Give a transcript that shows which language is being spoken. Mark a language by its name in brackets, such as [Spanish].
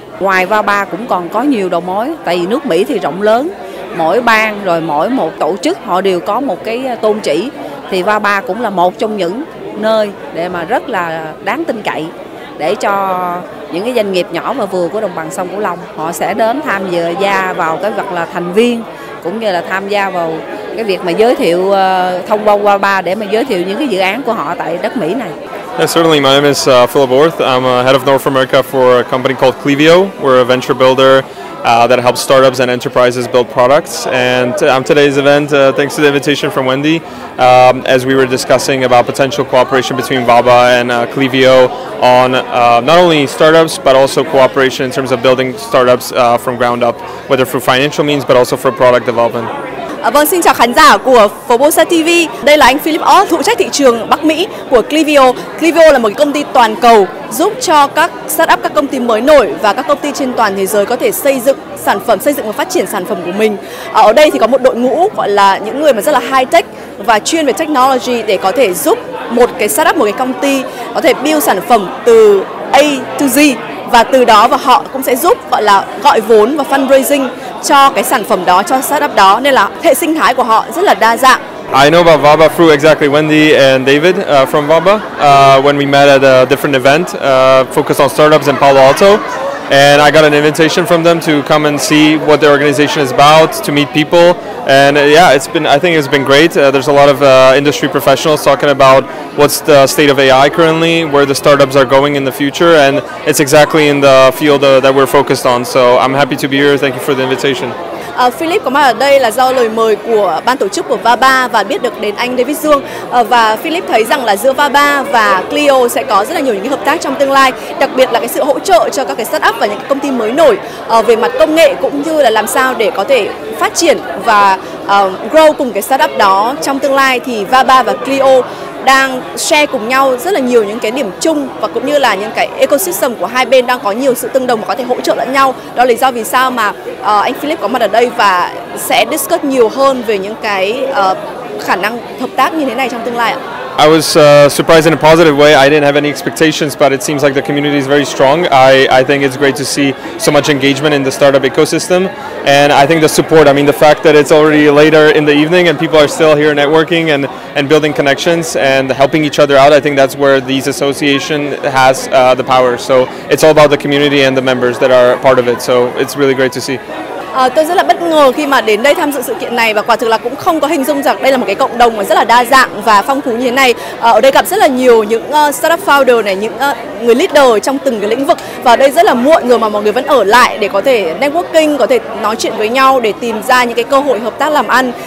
[Vietnamese] Ngoài VAPA cũng còn có nhiều đầu mối, tại vì nước Mỹ thì rộng lớn, mỗi bang rồi mỗi một tổ chức họ đều có một cái tôn chỉ, thì VAPA cũng là một trong những nơi để mà rất là đáng tin cậy để cho những cái doanh nghiệp nhỏ và vừa của đồng bằng sông Cửu Long họ sẽ đến tham dự gia vào cái việc là thành viên cũng như là tham gia vào cái việc mà giới thiệu thông qua VAPA để mà giới thiệu những cái dự án của họ tại đất Mỹ này. [English] Yeah, certainly. My name is Philip Orth. I'm head of North America for a company called Klaviyo. We're a venture builder that helps startups and enterprises build products. And today's event, thanks to the invitation from Wendy, as we were discussing about potential cooperation between VAPA and Klaviyo on not only startups, but also cooperation in terms of building startups from ground up, whether through financial means, but also for product development. [Vietnamese] Vâng, xin chào khán giả của Forbosa TV. Đây là anh Philip Orth, phụ trách thị trường Bắc Mỹ của Klaviyo. Klaviyo là một công ty toàn cầu giúp cho các startup, các công ty mới nổi và các công ty trên toàn thế giới có thể xây dựng sản phẩm, xây dựng và phát triển sản phẩm của mình. Ở đây thì có một đội ngũ gọi là những người mà rất là high tech và chuyên về technology để có thể giúp một cái startup, một cái công ty có thể build sản phẩm từ A to Z. Và từ đó và họ cũng sẽ giúp gọi là gọi vốn và fundraising cho cái sản phẩm đó, cho startup đó, nên là hệ sinh thái của họ rất là đa dạng. [English] I know about VAPA through exactly Wendy and David from VAPA when we met at a different event focused on startups in Palo Alto, and I got an invitation from them to come and see what their organization is about, to meet people, and yeah, it's been great. There's a lot of industry professionals talking about what's the state of AI currently, where the startups are going in the future, and it's exactly in the field that we're focused on. So I'm happy to be here. Thank you for the invitation. [Vietnamese] Philip có mặt ở đây là do lời mời của ban tổ chức của VAPA và biết được đến anh David Dương. Và Philip thấy rằng là giữa VAPA và Klaviyo sẽ có rất là nhiều những hợp tác trong tương lai, đặc biệt là cái sự hỗ trợ cho các cái startup và những công ty mới nổi về mặt công nghệ cũng như là làm sao để có thể phát triển và grow cùng cái startup đó trong tương lai. Thì VAPA và Klaviyo đang share cùng nhau rất là nhiều những cái điểm chung và cũng như là những cái ecosystem của hai bên đang có nhiều sự tương đồng và có thể hỗ trợ lẫn nhau. Đó là lý do vì sao mà anh Philip có mặt ở đây và sẽ discuss nhiều hơn về những cái khả năng hợp tác như thế này trong tương lai ạ. [English] I was surprised in a positive way. I didn't have any expectations, but it seems like the community is very strong. I think it's great to see so much engagement in the startup ecosystem. And I think the support, I mean, the fact that it's already later in the evening and people are still here networking and building connections and helping each other out, I think that's where these association has the power. So it's all about the community and the members that are part of it. So it's really great to see. [Vietnamese] Tôi rất là bất ngờ khi mà đến đây tham dự sự kiện này và quả thực là cũng không có hình dung rằng đây là một cái cộng đồng mà rất là đa dạng và phong phú như thế này. Ở đây gặp rất là nhiều những startup founder này, những người leader trong từng cái lĩnh vực, và ở đây rất là muộn rồi mà mọi người vẫn ở lại để có thể networking, có thể nói chuyện với nhau để tìm ra những cái cơ hội hợp tác làm ăn.